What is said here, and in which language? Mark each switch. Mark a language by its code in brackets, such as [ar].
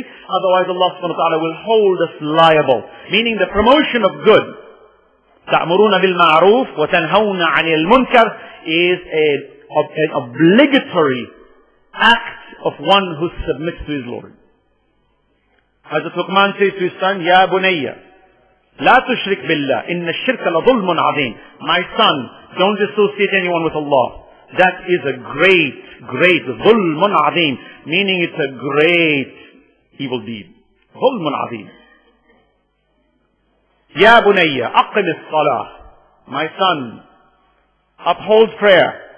[en] Otherwise Allah subhanahu wa ta'ala will hold us liable. Meaning the promotion of good. [ar] تَأْمُرُونَ بِالْمَعْرُوفِ وَتَنْهَوْنَ عَنِ الْمُنْكَرِ [en] is an obligatory act of one who submits to his Lord. Hazrat Luqman says to his son, [ar] يَا بُنَيَّ لَا تُشْرِكْ بِاللَّهِ إِنَّ الشِّرْكَ لَظُلْمٌ عَظِيمٌ. [en] My son, don't associate anyone with Allah. That is a great, great [ar] ظُلْمٌ عَظِيمٌ. [en] Meaning it's a great evil deed. [ar] ظُلْمٌ عَظِيمٌ. يَا بُنَيَّ أَقِمِ الصَّلَاةِ. [en] My son, uphold prayer.